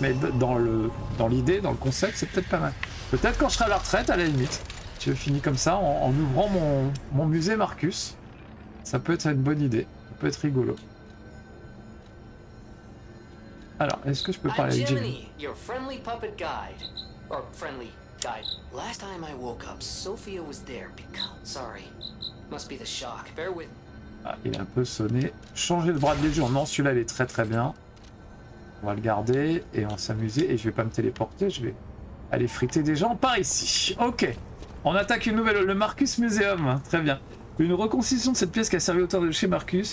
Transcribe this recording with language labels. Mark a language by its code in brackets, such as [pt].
[fr] Mais dans l'idée, dans le concept, c'est peut-être pas mal. Peut-être quand je serai à la retraite, à la limite. Je finis comme ça en ouvrant mon musée Marcus. Ça peut être une bonne idée. Ça peut être rigolo. Alors, est-ce que je peux parler avec Jimmy? [en] Your friendly puppet guide. Or friendly. Guide. Last time I woke up, Sophia was there because... sorry. Must be the shock. Bear with... [fr] ah, il est un peu sonné. Changer de bras de légion. Non, celui-là, il est très très bien. On va le garder et on va s'amuser. Et je vais pas me téléporter, je vais aller friter des gens par ici. Ok. On attaque une nouvelle, le Marcus Museum. Très bien. Une reconstitution de cette pièce qui a servi autour de chez Marcus.